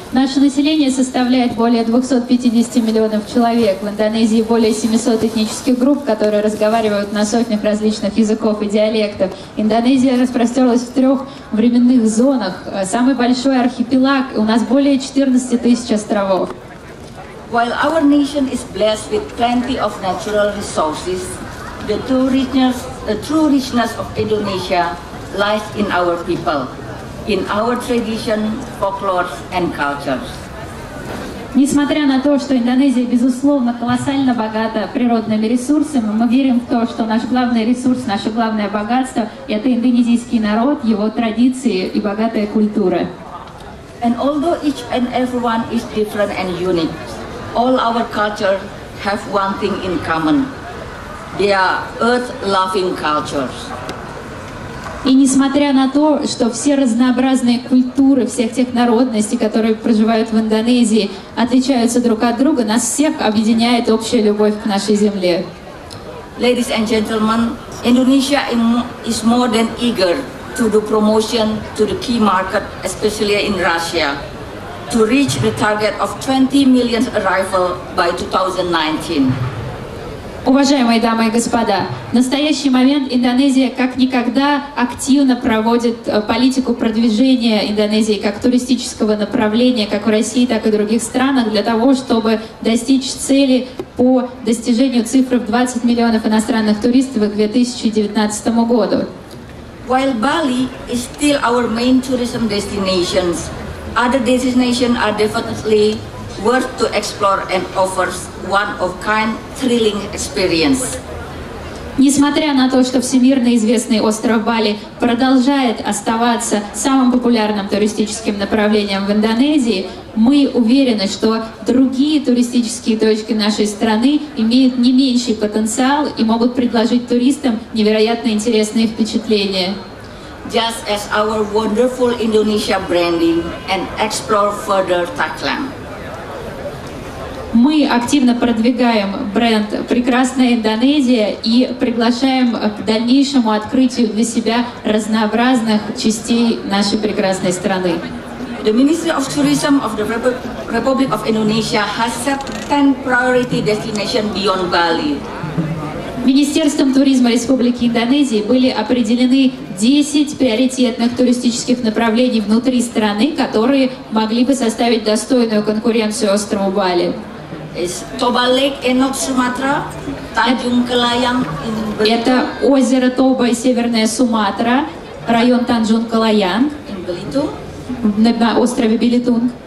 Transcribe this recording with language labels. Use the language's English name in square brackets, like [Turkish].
[Russian] Наше население составляет более 250 миллионов человек. В Индонезии более 700 этнических групп, которые разговаривают на сотнях различных языков и диалектов. Индонезия распростерлась в трех временных зонах. Самый большой архипелаг, у нас более 14 тысяч островов. [English] While our nation is blessed with plenty of natural resources, The true richness of Indonesia lies in our people, in our tradition, folklore and cultures. [Russian] Несмотря на то, что Индонезия безусловно колоссально богата природными ресурсами, мы верим в то, что наш главный ресурс, наше главное богатство – это индонезийский народ, его традиции и богатая культура. [English] And although each and everyone is different and unique, all our cultures have one thing in common. They are earth-loving cultures. [Russian] И несмотря на то, что все разнообразные культуры всех тех народностей, которые проживают в Индонезии, отличаются друг от друга, нас всех объединяет общая любовь к нашей земле. [English] Ladies and gentlemen, Indonesia is more than eager to do promotion to the key market, especially in Russia, to reach the target of 20 million arrivals by 2019. [Russian] Уважаемые дамы и господа, в настоящий момент Индонезия как никогда активно проводит политику продвижения Индонезии как туристического направления, как в России, так и в других странах, для того, чтобы достичь цели по достижению цифры в 20 миллионов иностранных туристов к 2019 году. [English] While Bali is still our main tourism destination, other destinations are definitely worth to explore and offers one-of-kind thrilling experience. [Russian] Несмотря на то, что всемирно известный остров Бали продолжает оставаться самым популярным туристическим направлением в Индонезии, мы уверены, что другие туристические точки нашей страны имеют не меньший потенциал и могут предложить туристам невероятно интересные впечатления. [English] Just as our wonderful Indonesia branding and explore further Thailand. [Russian] Мы активно продвигаем бренд «Прекрасная Индонезия» и приглашаем к дальнейшему открытию для себя разнообразных частей нашей прекрасной страны. [English] The Ministry of Tourism of the Republic of Indonesia has set 10 priority destinations beyond Bali. [Russian] Министерством туризма Республики Индонезии были определены 10 приоритетных туристических направлений внутри страны, которые могли бы составить достойную конкуренцию острову Бали. Это озеро Тоба и Северная Суматра, район Танджунг-Калаянг на острове Билитунг.